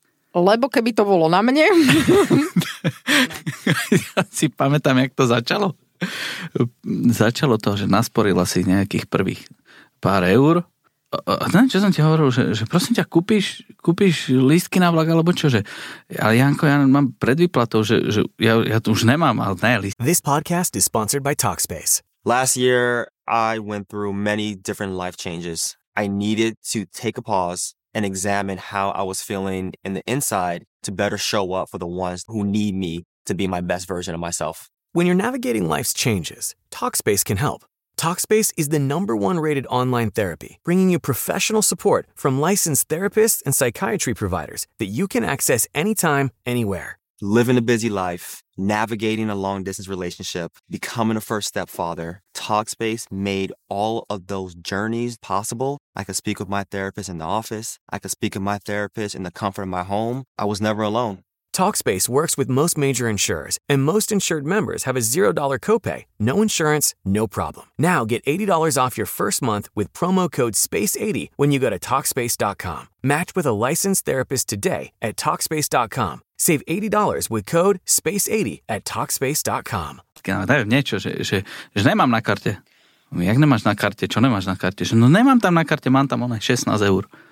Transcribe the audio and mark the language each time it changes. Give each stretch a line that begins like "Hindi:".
Slovak: Lebo keby to bolo na mne. Ja si pamätám, jak to začalo. Začalo to, že nasporila si nejakých prvých pár eur. A čo som ti hovoril, že prosím ťa, kúpiš lístky na vlak, alebo čo, že... Ale Janko, ja mám predvýplatou, že ja to už nemám, ale ne, lístky.
English: This podcast is sponsored by Talkspace. Last year, I went through many different life changes. I needed to take a pause and examine how I was feeling in the inside to better show up for the ones who need me to be my best version of myself. When you're navigating life's changes, Talkspace can help. Talkspace is the number one rated online therapy, bringing you professional support from licensed therapists and psychiatry providers that you can access anytime, anywhere. Living a busy life, navigating a long-distance relationship, becoming a first-step father, Talkspace made all of those journeys possible. I could speak with my therapist in the office. I could speak with my therapist in the comfort of my home. I was never alone. Talkspace works with most major insurers, and most insured members have a $0 copay. No insurance, no problem. Now get $80 off your first month with promo code SPACE80 when you go to Talkspace.com. Match with a licensed therapist today at Talkspace.com. Save $80 with code SPACE80 at Talkspace.com.
Slovak: Dajem niečo, že nemám na karte. Jak nemáš na karte? Čo nemáš na karte? Že no nemám tam na karte, mám tam 16 eur.